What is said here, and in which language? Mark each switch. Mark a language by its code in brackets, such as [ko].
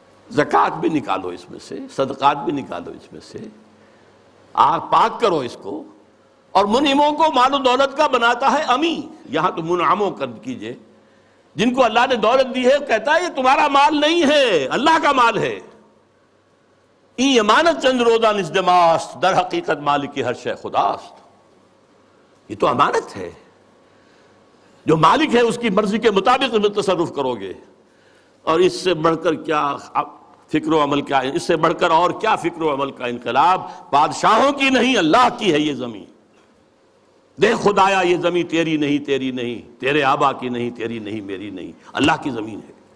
[ur] زکوٰۃ بھی نکالو اس میں سے، صدقات بھی نکالو اس میں سے، پاک کرو اس کو. اور منعموں کو مال و دولت کا بناتا ہے امی، یہاں تو منعموں قد کیجئے. جن کو اللہ نے دولت دی ہے کہتا ہے یہ تمہارا مال نہیں ہے، اللہ کا مال ہے. [fa] این امانت چند روزہ نزد ماست، در حقیقت مالک ہر شے خداست. [ur] یہ تو امانت ہے، جو مالک ہے اس کی مرضی کے مطابق تم تصرف کرو گے. اور اس سے بڑھ کر کیا فکر و عمل کا، اس سے بڑھ کر اور کیا فکر و عمل کا انقلاب. بادشاہوں کی نہیں، اللہ کی ہے یہ زمین. دے خدایا، یہ زمین تیری نہیں، تیری نہیں، تیرے آبا کی نہیں، تیری نہیں، میری نہیں، اللہ کی زمین ہے.